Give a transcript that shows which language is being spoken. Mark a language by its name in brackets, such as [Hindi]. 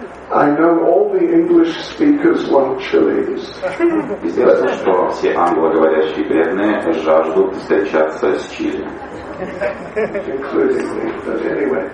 [English] I know all the English speakers want chilies. [Russian] Известно, что все англоговорящие бедные жаждут встречаться с чили. [English] Including me, but anyway.